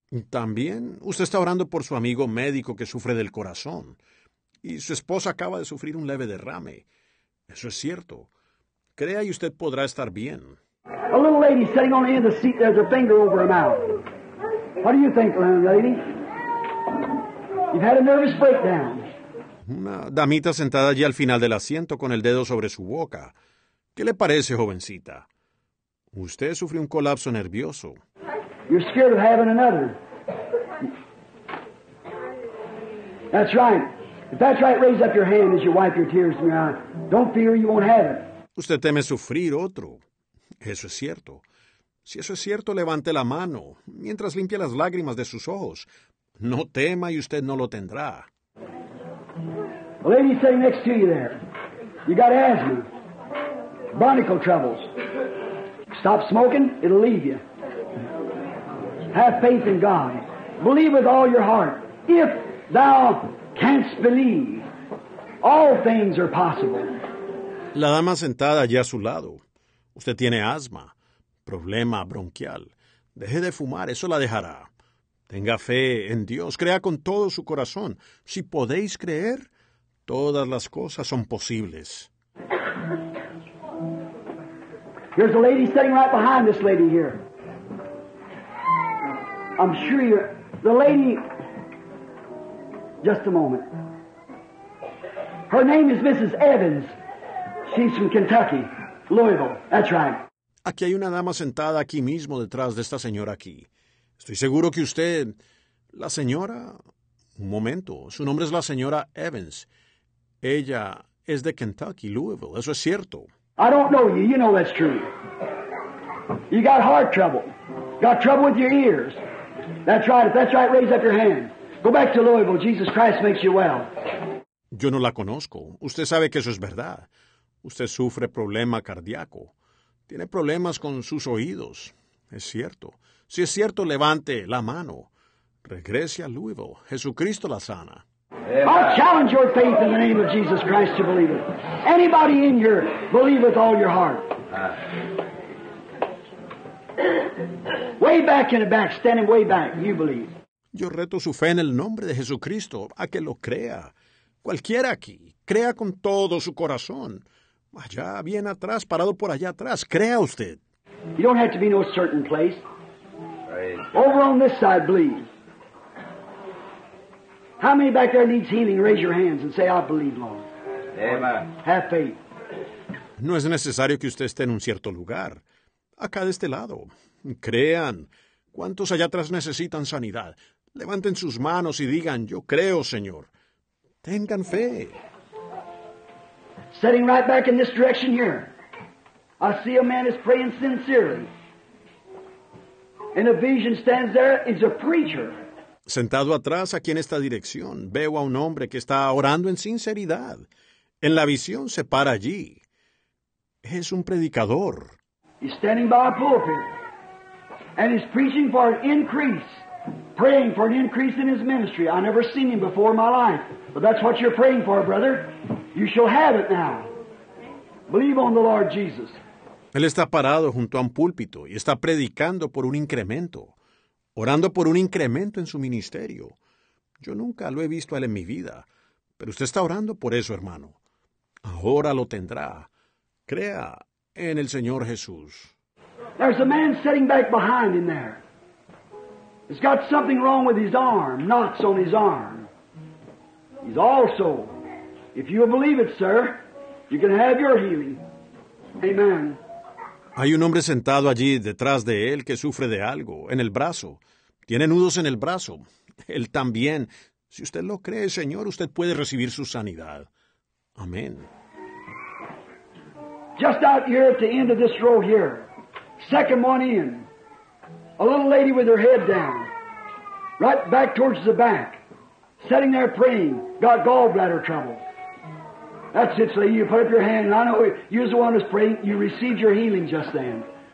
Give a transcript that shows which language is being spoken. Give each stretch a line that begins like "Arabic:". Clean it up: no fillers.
Spanish: También usted está orando por su amigo médico que sufre del corazón. Y su esposa acaba de sufrir un leve derrame. Eso es cierto. Crea y usted podrá estar bien.
English: A little lady sitting on the end of the seat, there's a finger over her mouth. What do you think, lady? You've had a nervous breakdown.
Spanish: Una damita sentada allí al final del asiento con el dedo sobre su boca. ¿Qué le parece, jovencita? Usted sufrió un colapso nervioso.
English: You're scared of having another. That's right. If that's right, raise up your hand as you wipe your tears from your eyes. Don't fear, you won't have it.
Spanish: Usted teme sufrir otro. Eso es cierto. Si eso es cierto, levante la mano mientras limpia las lágrimas de sus ojos. No tema y usted no lo tendrá.
English: The lady sitting next to you there. You got asthma. Bronchial troubles. Stop smoking, it'll leave you. Have faith in God. Believe with all your heart. If thou canst believe, all things are possible.
Spanish: La dama sentada allí a su lado. Usted tiene asma, problema bronquial. Deje de fumar, eso la dejará. Tenga fe en Dios, crea con todo su corazón. Si podéis creer, todas las cosas son posibles.
English: Here's a lady sitting right behind this lady here. I'm sure you're... The lady... Just a moment. Her name is Mrs. Evans. She's from Kentucky. Louisville, that's right.
Spanish: Aquí hay una dama sentada aquí mismo detrás de esta señora aquí. Estoy seguro que usted, la señora, un momento, su nombre es la señora Evans. Ella es de Kentucky, Louisville, eso es cierto.
English: I don't know you, you know that's true. You got heart trouble, got trouble with your ears. That's right, raise up your hand. Go back to Louisville, Jesus Christ makes you well.
Spanish: Yo no la conozco, usted sabe que eso es verdad. Usted sufre problema cardíaco. Tiene problemas con sus oídos. Es cierto. Si es cierto, levante la mano. Regrese a Louisville. Jesucristo la sana.
English: I challenge your faith in the name of Jesus Christ to believe it. Anybody in here, believe with all your heart. Way back in the back, standing way back, you believe.
Spanish: Yo reto su fe en el nombre de Jesucristo a que lo crea. Cualquiera aquí, crea con todo su corazón. Allá, bien atrás, parado por allá atrás. Crea usted.
English: You don't have to be no certain place. Over on this side, believe. How many back there needs healing? Raise your hands and say, I believe, Lord. Amen. Have faith.
Spanish: No es necesario que usted esté en un cierto lugar. Acá de este lado. Crean. ¿Cuántos allá atrás necesitan sanidad? Levanten sus manos y digan, yo creo, Señor. Tengan fe.
English: Sitting right back in this direction here. I see a man is praying sincerely. And a vision stands there. He's a preacher.
Spanish: Sentado atrás aquí en esta dirección, veo a un hombre que está orando en sinceridad. En la visión se para allí. Es un predicador.
English: He's standing by a pulpit and he's preaching for an increase, praying for an increase in his ministry. I never seen him before in my life, but that's what you're praying for, brother. You shall have it now. Believe on the Lord Jesus.
Spanish: Él está parado junto a un púlpito y está predicando por un incremento, orando por un incremento en su ministerio. Yo nunca lo he visto a él en mi vida, pero usted está orando por eso, hermano. Ahora lo tendrá. Crea en el Señor Jesús.
English: There's a man sitting back behind in there. He's got something wrong with his arm, knots on his arm. He's also, if you believe it, sir, you can have your healing. Amen.
Spanish: Hay un hombre sentado allí detrás de él que sufre de algo, en el brazo. Tiene nudos en el brazo. Él también. Si usted lo cree, Señor, usted puede recibir su sanidad. Amén.
English: Just out here at the end of this row here, second one in, a little lady with her head down, right back towards the back, sitting there praying, got gallbladder trouble. That's it, so you put up your hand, and I know you're the one who's praying, you received your healing just then.